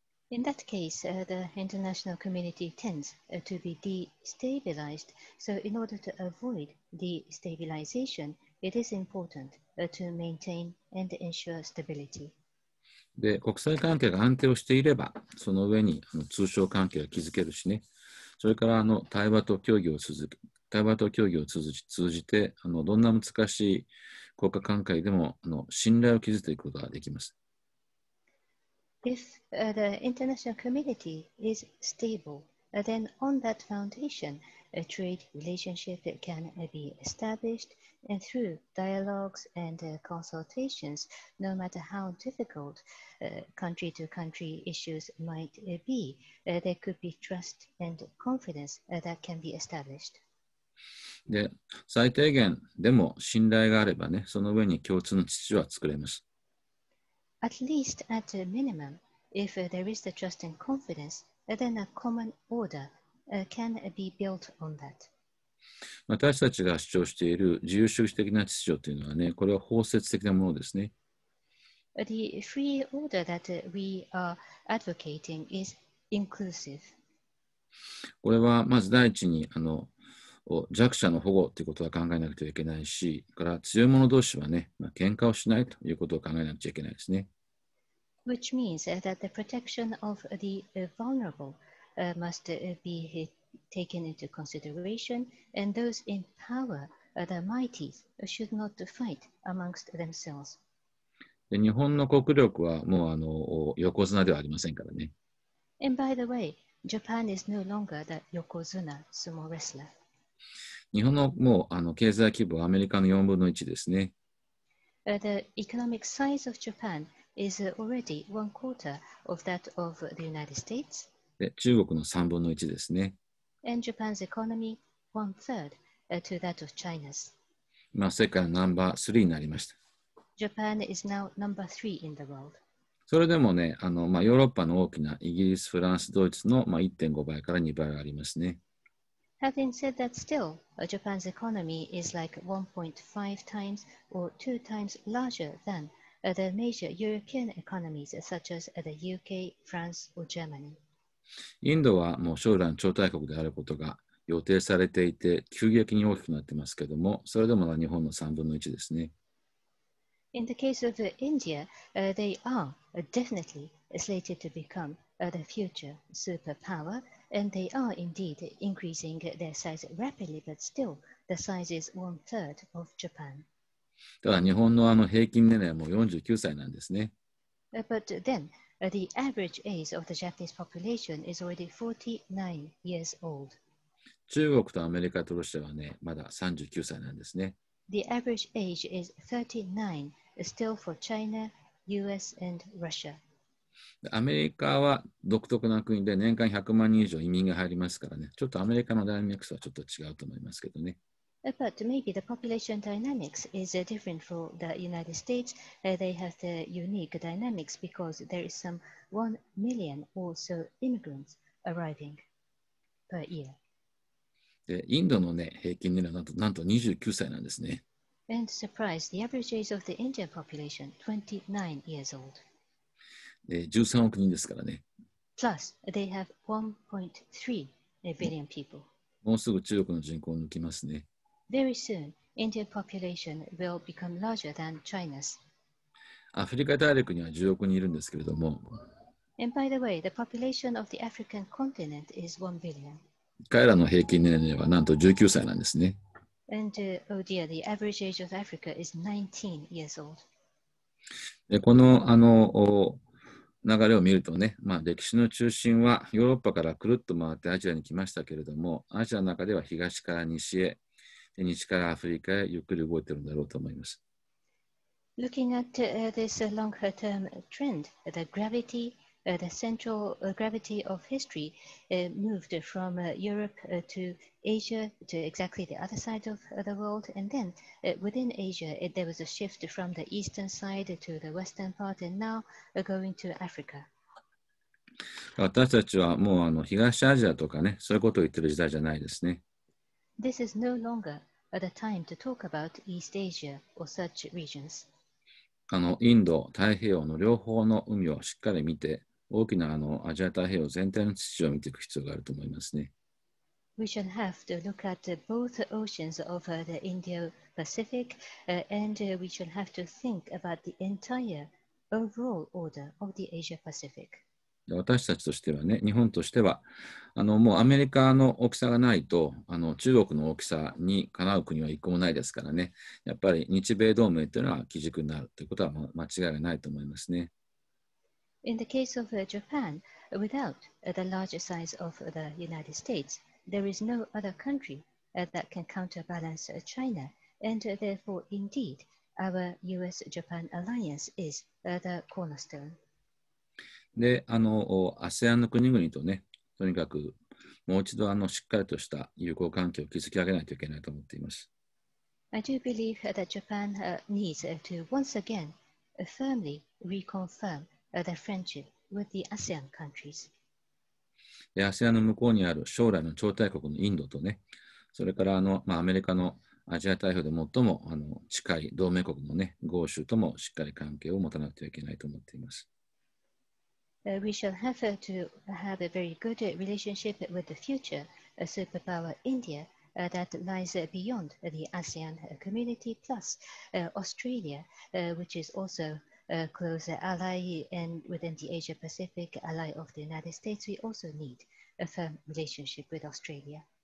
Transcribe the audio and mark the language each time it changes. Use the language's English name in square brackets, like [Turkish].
[English] In that case, the international community tends to be destabilized. So in order to avoid destabilization, it is important to maintain and ensure stability. [Japanese] で、国際関係が安定をしていれば、その上に通商関係を築けるしね。それから対話と協議を通じて、どんな難しい国家関係でも信頼を築いていくことができます。 [English] If the international community is stable, then on that foundation, a trade relationship can be established, and through dialogues and consultations, no matter how difficult country-to-country issues might be, there could be trust and confidence that can be established. [Japanese] で、最低限でも信頼があればね、その上に共通の基地は作れます。 [English] At least at the minimum, if there is the trust and confidence, then a common order can be built on that. [Japanese] 私たちが主張している自由主義的な秩序というのはね、これは包摂的なものですね。 [English] The free order that we are advocating is inclusive. [Japanese] これはまず第一に弱者の保護ということは考えなくてはいけないし、から強い者同士はね、喧嘩をしないということを考えなくちゃいけないですね。 [English] Which means that the protection of the vulnerable must be taken into consideration, and those in power, the mighty, should not fight amongst themselves. [Japanese] で、日本の国力はもう横綱ではありませんからね。 [English] And by the way, Japan is no longer the Yokozuna sumo wrestler. [Japanese] 日本のもう経済規模はアメリカの4分の1ですね。 [English] The economic size of Japan is already one quarter of that of the United States. [Japanese] で、中国の3分の1ですね。 [English] And Japan's economy one third to that of China's. [Japanese] 今世界のナンバー3になりました。 [English] Japan is now number 3 in the world. [Japanese] それでもね、ヨーロッパの大きなイギリス、フランス、ドイツの、1.5 倍から2倍ありますね。 [English] Having said that, still, Japan's economy is like 1.5 times or 2 times larger than the major European economies such as the UK, France, or Germany. [Japanese] インドはもう将来の超大国であることが予定されていて、急激に大きくなってますけども、それでも日本の3分の1ですね。 [English] In the case of India, they are definitely slated to become the future superpower. And they are indeed increasing their size rapidly, but still, the size is one third of Japan. [Japanese] ただ日本の平均年齢はもう49歳なんですね。 [English] But then, the average age of the Japanese population is already 49 years old. [Japanese] 中国とアメリカとロシアはね、まだ39歳なんですね。 [English] The average age is 39, still for China, US and Russia. [Japanese] アメリカは独特な国で年間100万人以上移民が入りますからね。ちょっとアメリカのダイナミックスはちょっと違うと思いますけどね。 [English] But maybe the population dynamics is different for the United States. They have the unique dynamics because there is some 1 million or so immigrants arriving per year. [Japanese] で、インドのね、平均年齢はなんと29歳なんですね。 [English] And surprise, the average age of the Indian population, 29 years old. [Japanese] 13億人ですからね。 [English] Plus, they have 1.3 billion people. [Japanese] もうすぐ中国の人口を抜きますね。 [English] Very soon, Indian population will become larger than China's. [Japanese] アフリカ大陸には10億人いるんですけれども。 [English] And by the way, the population of the African continent is 1 billion. [Japanese] 彼らの平均年齢はなんと19歳なんですね。 [English] And, oh dear, the average age of Africa is 19 years old. [Japanese] この、流れを見るとね、まあ、歴史の中心はヨーロッパからくるっと回ってアジアに来ましたけれども、アジアの中では東から西へ、で西からアフリカへゆっくり動いているんだろうと思います。 [English] Looking at this long-term trend, the gravity, the central gravity of history moved from Europe to Asia to exactly the other side of the world, and then within Asia, there was a shift from the eastern side to the western part, and now going to Africa. [Japanese] 私たちはもう東アジアとかね、そういうことを言ってる時代じゃないですね。 [English] This is no longer the time to talk about East Asia or such regions. [Japanese] インド太平洋の両方の海をしっかり見て、大きなアジア太平洋全体の秩序を見ていく必要があると思いますね。 [English] We should have to look at both oceans of the Indo-Pacific, and we should have to think about the entire overall order of the Asia-Pacific. [Japanese] 私たちとしてはね、日本としては、もうアメリカの大きさがないと、中国の大きさにかなう国は一個もないですからね。やっぱり日米同盟というのは基軸になるということは間違いないと思いますね。 [English] In the case of Japan, without the larger size of the United States, there is no other country that can counterbalance China, and therefore, indeed, our US-Japan alliance is the cornerstone. [Japanese] で、ASEAN の国々とね、とにかくもう一度しっかりとした友好関係を築き上げないといけないと思っています。 [English] I do believe that Japan needs to once again firmly reconfirm. The friendship with the ASEAN countries. [Japanese] で、ASEAN の向こうにある将来の超大国のインドとね、それからまあ、アメリカのアジア太平洋で最も近い同盟国のね、豪州ともしっかり関係を持たなくてはいけないと思っています。 [English] We shall have to have a very good relationship with the future superpower India that lies beyond the ASEAN community plus Australia, which is also. Close ally and within the Asia Pacific ally of the United States, we also need a firm relationship with Australia.